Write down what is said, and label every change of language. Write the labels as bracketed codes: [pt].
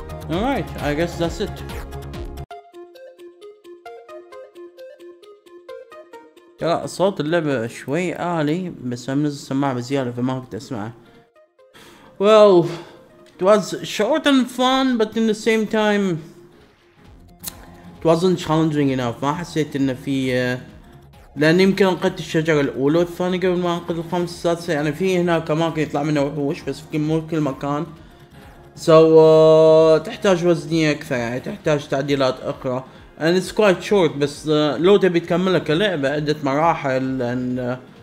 [en] Alright, I guess that's it. [ar] ترى صوت اللعبة شوي عالي بس أنا منزل السماعة بزيادة فما كنت أسمعه. [en] Well, it was short and fun but in the same time it wasn't challenging enough. [ar] ما حسيت إن في لأن يمكن أنقذت الشجرة الأولى والثانية قبل ما أنقذ الخامسة السادسة. يعني في هناك أماكن يطلع منها وحوش بس في مو كل مكان. سو تحتاج وزنية أكثر، يعني تحتاج تعديلات أخرى. [en] And it's quite short [ar] بس لو تبي تكملها كلعبة عدة مراحل and